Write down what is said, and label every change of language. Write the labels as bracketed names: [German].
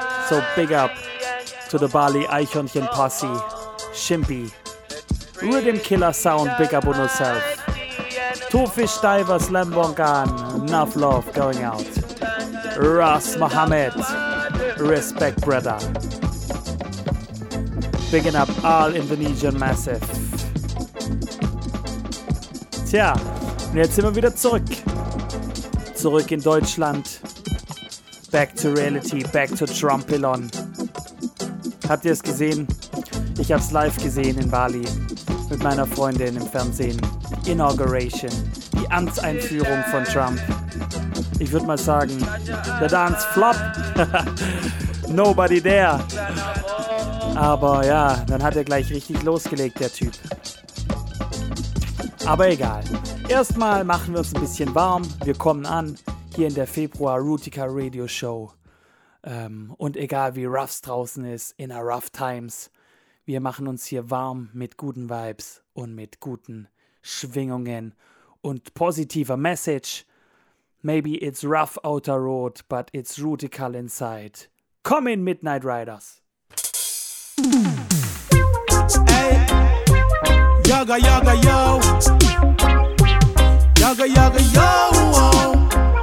[English] So big up to the Bali Eichhörnchen Posse, Shimpy, Rhythm Killer Sound, big up on yourself. Two Fish Divers, Lambongan, enough love going out. Ras Mohammed, respect brother. Bigging up all Indonesian Massive. [German] Tja, und jetzt sind wir wieder zurück. Zurück in Deutschland. [English] Back to reality, back to Trumpilon. [German] Habt ihr es gesehen? Ich hab's live gesehen in Bali. Mit meiner Freundin im Fernsehen. Inauguration. Die Amtseinführung von Trump. Ich würde mal sagen, [English] the dance flop. Nobody there. [German] Aber ja, dann hat er gleich richtig losgelegt, der Typ. Aber egal. Erstmal machen wir uns ein bisschen warm. Wir kommen an hier in der Februar Rootikal Radio Show. Und egal wie rough's draußen ist, [English] in our rough times, [German] wir machen uns hier warm mit guten Vibes und mit guten Schwingungen und positiver Message. [English] Maybe it's rough outer road, but it's Rootikal inside. Come in, Midnight Riders. Hey. Yaga, yaga, yo. Yaga, yaga, yo.